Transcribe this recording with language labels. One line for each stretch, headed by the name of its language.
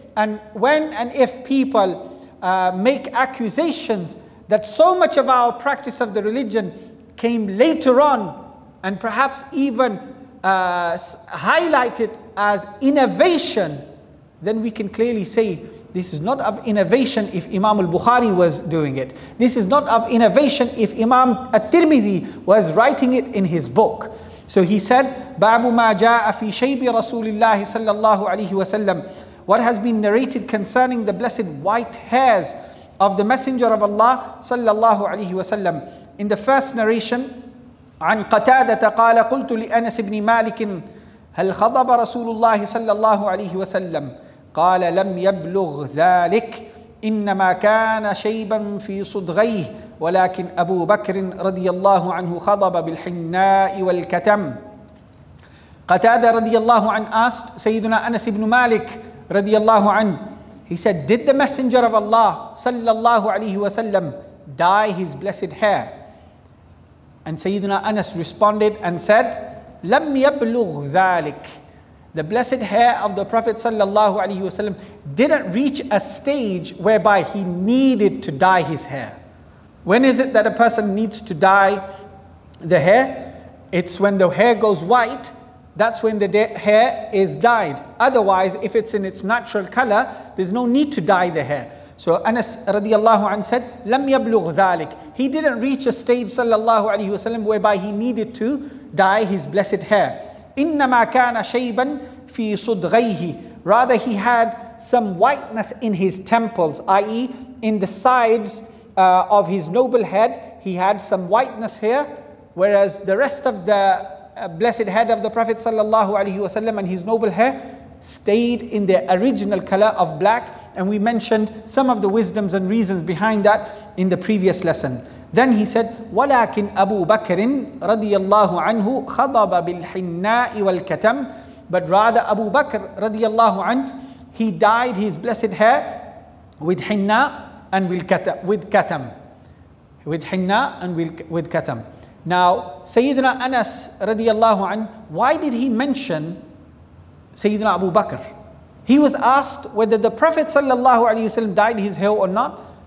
English: And when and if people make accusations that so much of our practice of the religion came later on, and perhaps even highlighted as innovation, then we can clearly say, this is not of innovation if Imam al-Bukhari was doing it. This is not of innovation if Imam at-Tirmidhi was writing it in his book.
Arabic: So he said, بَابُ مَا جَاءَ فِي شَيْبِ رَسُولِ اللَّهِ صَلَّى اللَّهُ عَلَيْهِ وَسَلَّمُ.
English: What has been narrated concerning the blessed white hairs of the Messenger of Allah sallallahu alayhi wasallam.
Arabic: In the first narration, عن قتادة قال قلت لأنس بن مالك هل خضب رسول الله صلى الله عليه وسلم قال لم يبلغ ذلك إنما كان شيبا في صدغيه ولكن أبو بكر رضي الله عنه خضب بالحناء والكتم.
English: قتادة رضي الله عنه asked سيدنا أنس بن مالك رضي الله عنه, he said, did the Messenger of Allah صلى الله عليه وسلم dye his blessed hair? And Sayyidina Anas responded and said,
Arabic: لَمْ يَبْلُغْ ذَٰلِكَ.
English: The blessed hair of the Prophet sallallahu alaihi wasallam didn't reach a stage whereby he needed to dye his hair. When is it that a person needs to dye the hair? It's when the hair goes white, that's when the hair is dyed. Otherwise, if it's in its natural color, there's no need to dye the hair. So Anas radiallahu anhu said,
Arabic: لَمْ يَبْلُغْ ذَٰلِكَ.
English: He didn't reach a stage sallallahu alayhi wasallam whereby he needed to dye his blessed hair.
Arabic: إِنَّمَا كَانَ شَيْبًا فِي صُدْغَيْهِ.
English: Rather, he had some whiteness in his temples, i.e. in the sides of his noble head, he had some whiteness here, whereas the rest of the blessed head of the Prophet sallallahu alayhi wasallam and his noble hair stayed in the original color of black. And we mentioned some of the wisdoms and reasons behind that in the previous lesson.
Arabic: Then he said, وَلَكِنْ أَبُو بَكْرٍ رَضِيَ اللَّهُ عَنْهُ خَضَبَ بِالْحِنَّاءِ وَالْكَتَمِ.
English: But rather Abu Bakr رَضِيَ اللَّهُ عَنْهُ, he dyed his blessed hair with hinna and with katam. With hinna and with katam. Now, Sayyidina Anas رَضِيَ اللَّهُ عَنْهُ, why did he mention Sayyidina Abu Bakr? He was asked whether the Prophet sallallahu alaihi wasallam dyed his hair or not.